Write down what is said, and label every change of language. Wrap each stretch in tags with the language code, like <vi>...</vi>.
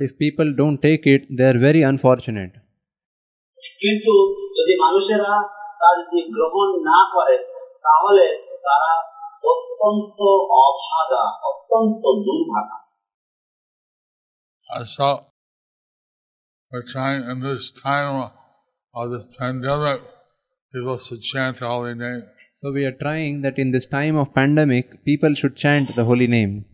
<en>if people don't take it, they are very unfortunate.</en> <bn>কিন্তু যদি মানুষেরা তার যদি গ্রহণ না করে তাহলে তারা অত্যন্ত অভাগা, অত্যন্ত দুর্ভাগা.</bn> <en>We're trying in this time of this pandemic, people should chant the holy name. So we are trying that in this time of pandemic, people should chant the holy name.</en>